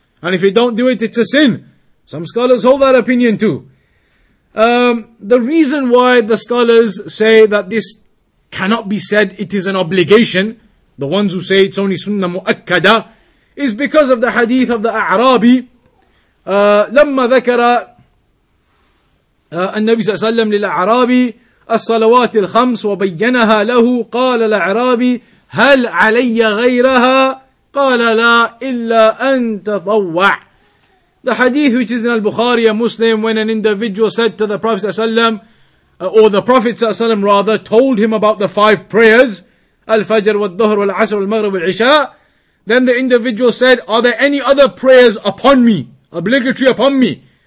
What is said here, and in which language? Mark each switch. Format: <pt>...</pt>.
<en>And if you don't do it, it's a sin. Some scholars hold that opinion too. The reason why the scholars say that this cannot be said it is an obligation, the ones who say it's only sunnah mu'akkada, is because of the hadith of the A'rabi.</en> <ar>لَمَّا ذَكَرَ النَّبِي صلى الله عليه وسلم لِلْأَعْرَابِ الصلوات الخمس وبينها له قال الأعرابي هل علي غيرها قال لا إلا أن تطوع.</ar> <en>The hadith which is in Al-Bukhari and Muslim, when an individual said to the Prophet ﷺ, or the Prophet ﷺ rather told him about the five prayers, Al-Fajr wal-Dhuhr wal-Asr wal-Maghrib wal-Isha, then the individual said, are there any other prayers upon me, obligatory upon me?</en>